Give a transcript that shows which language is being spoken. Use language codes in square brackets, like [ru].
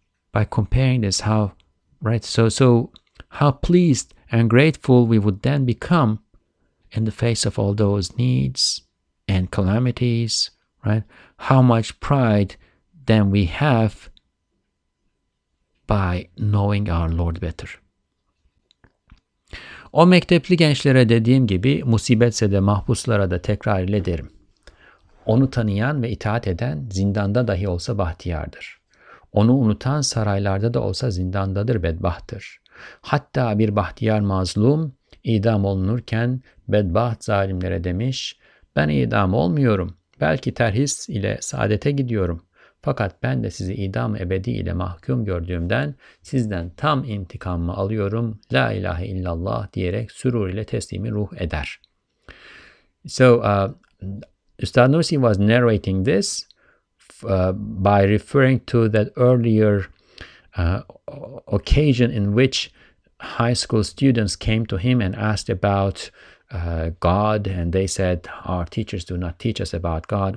[en] By comparing this, how, right, so how pleased and grateful we would then become in the face of all those needs and calamities, right? How much pride then we have by knowing our Lord better. [tr] O mektepli gençlere dediğim gibi, musibetse de mahpuslara da tekrar ilederim. Onu tanıyan ve itaat eden zindanda dahi olsa bahtiyardır. Onu unutan saraylarda da olsa zindandadır, bedbahttır. Hatta bir bahtiyar mazlum idam olunurken bedbaht zalimlere demiş, ben idam olmuyorum, belki terhis ile saadete gidiyorum. Fakat ben de sizi idam ebedi ile mahkum gördüğümden sizden tam intikamımı alıyorum. [ar] La ilahe illallah [tr] diyerek sürur ile teslimi ruh eder. [en] So Üstad Nursi was narrating this by referring to that earlier occasion in which high school students came to him and asked about God, and they said, our teachers do not teach us about God.